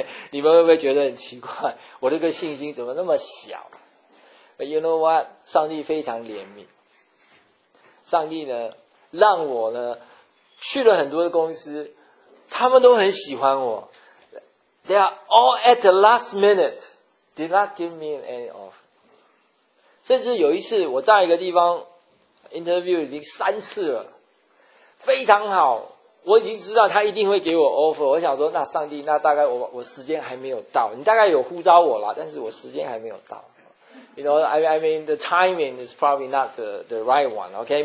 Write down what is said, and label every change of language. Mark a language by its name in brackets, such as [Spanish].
[Chinese] 你们会不会觉得很奇怪？我这个信心怎么那么小 ？ [English] But you know what? [Chinese] 上帝非常怜悯。上帝呢，让我呢去了很多的公司，他们都很喜欢我。 [English] They are all at the last minute did not give me any offer。 [Chinese] 甚至有一次，我在一个地方 interview 已经三次了，非常好。我已经知道他一定会给我 offer， 我想说那上帝那大概我时间还没有到，你大概有呼召我啦，但是我时间还没有到。 [English] You know, I mean the timing is probably not the right one, okay?